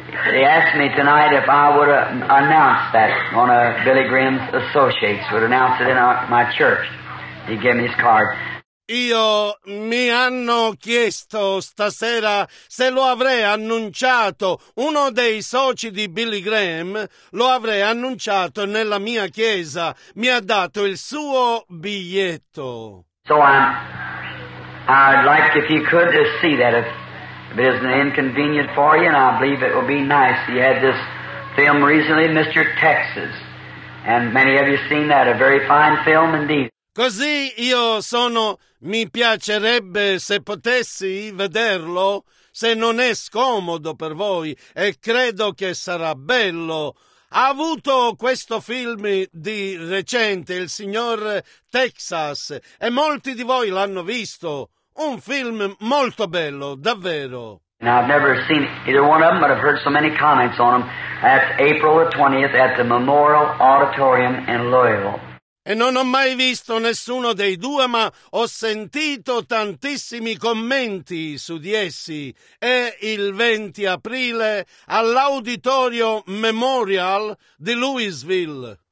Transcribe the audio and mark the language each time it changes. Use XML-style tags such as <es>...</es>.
<en>They asked me tonight if I would announce that one of Billy Graham's associates would announce it in my church. He gave me his card.</en> <it>Io mi hanno chiesto stasera se lo avrei annunciato uno dei soci di Billy Graham, lo avrei annunciato nella mia chiesa. Mi ha dato il suo biglietto.</it> <en>So I'd like if you could just see that if. It is an inconvenience for you, and I believe it will be nice. You had this film recently, Mr. Texas, and many of you have seen that, a very fine film indeed.</en> <it>Così io sono, mi piacerebbe se potessi vederlo, se non è scomodo per voi, e credo che sarà bello. Ha avuto questo film di recente, il signor Texas, e molti di voi l'hanno visto. Un film molto bello, davvero.</it> <en>Now, I've never seen either one of them, but I've heard so many comments on them. That's April the 20th at the Memorial Auditorium in Louisville.</en> <it>E non ho mai visto nessuno dei due, ma ho sentito tantissimi commenti su di essi. È il 20 aprile all'Auditorio Memorial di Louisville.</it>